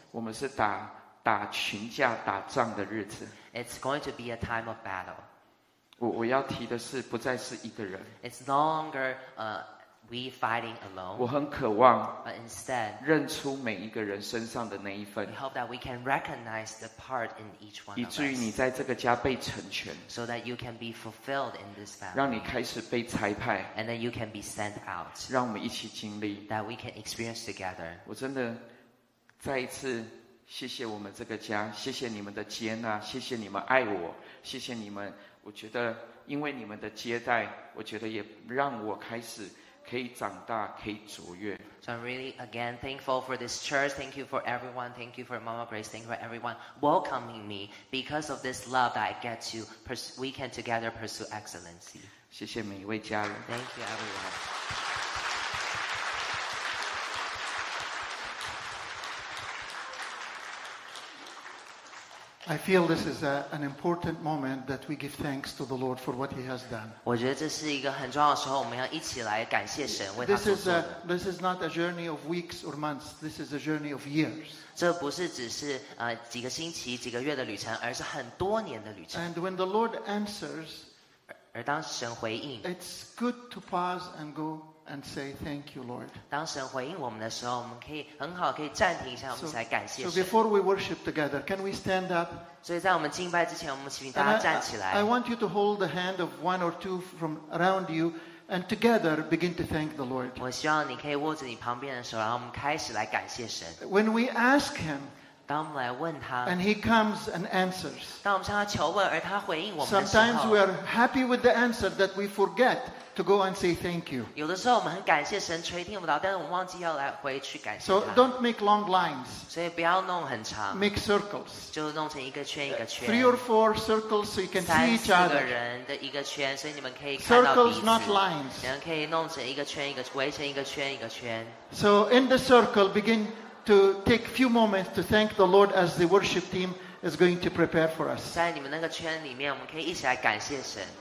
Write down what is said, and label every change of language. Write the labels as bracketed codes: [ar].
[zh] 我们是打群架打仗的日子， [en] it's going to be a time of battle. [zh] 我要提的是，不再是一个人。 [en] It's no longer we fighting alone. [zh] 我很渴望 [en] but instead, [zh] 认出每一个人身上的那一份。 [en] We hope that we can recognize the part in each one of us. [zh] 以至于你在这个家被成全。 [en] So that you can be fulfilled in this family. [zh] 让你开始被差派。 [en] And then you can be sent out. [zh] 让我们一起经历。 [en] That we can experience together. [zh] 我真的再一次谢谢我们这个家，谢谢你们的接纳，谢谢你们爱我，谢谢你们。我觉得因为你们的接待，我觉得也让我开始可以长大，可以卓越。 [en] So I'm really again thankful for this church. Thank you for everyone. Thank you for Mama Grace. Thank you for everyone welcoming me. Because of this love that I get to, we can together pursue excellency. [zh] 谢谢每一位家人。 [en] Thank you, everyone. I feel this is an important moment that we give thanks to the Lord for what He has done. [zh] 我觉得这是一个很重要的时候，我们要一起来感谢神为他所做的。 [en] This is not a journey of weeks or months. This is a journey of years. [zh] 这不是只是几个星期、几个月的旅程，而是很多年的旅程。 [en] And when the Lord answers, [zh] 而当神回应 [en] ，it's good to pause and go and say thank you, Lord. [zh] 当神回应我们的时候，我们可以很好可以暂停一下，我们才感谢神。 [en] So before we worship together, can we stand up? [zh] 所以在我们敬拜之前，我们请大家站起来。 [en] I want you to hold the hand of one or two from around you, and together begin to thank the Lord. [zh] 我希望你可以握着你旁边的手，然后我们开始来感谢神。 [en] When we ask Him, [zh] 当我们来问他 [en] ，and He comes and answers. [zh] 当我们向他求问，而他回应我们的时候 [en] ，sometimes we are happy with the answer that we forget. To go and say thank you. [zh] 有的时候我们很感谢神垂听不到，但是我们忘记要来回去感谢他。 [en] So don't make long lines. [zh] 所以不要弄很长。 [en] Make circles. [zh] 就弄成一个圈一个圈。 [en] Three or four circles so you can see each other. [zh] 三四个人的一个圈，所以你们可以看到彼此。 [en] Circles, not lines. [zh] 你们可以弄成一个圈一个，围成一个圈一个圈。 [en] So in the circle, begin to take a few moments to thank the Lord as the worship team is going to prepare for us. [zh] 在你们那个圈里面，我们可以一起来感谢神。